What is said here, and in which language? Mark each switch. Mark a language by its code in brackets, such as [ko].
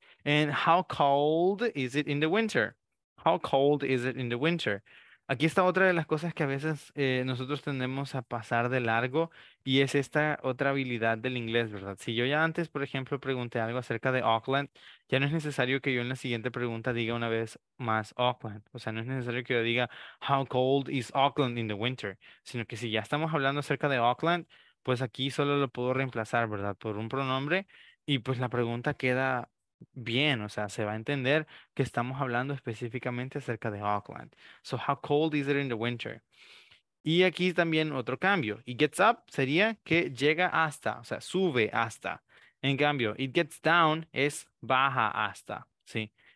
[en] And how cold is it in the winter? How cold is it in the winter? [es] Aquí está otra de las cosas que a veces nosotros tendemos a pasar de largo y es esta otra habilidad del inglés, ¿verdad? Si yo ya antes, por ejemplo, pregunté algo acerca de Auckland, ya no es necesario que yo en la siguiente pregunta diga una vez más Auckland. O sea, no es necesario que yo diga [en] how cold is Auckland in the winter, [es] sino que si ya estamos hablando acerca de Auckland, pues aquí solo lo puedo reemplazar, ¿verdad? Por un pronombre y pues la pregunta queda bien, o sea, se va a entender que estamos hablando específicamente acerca de Auckland. [en] So, how cold is it in the winter? [es] Y aquí también otro cambio. [en] It gets up [es] sería que llega hasta, o sea, sube hasta. En cambio, [en] it gets down [es] es baja hasta, ¿sí?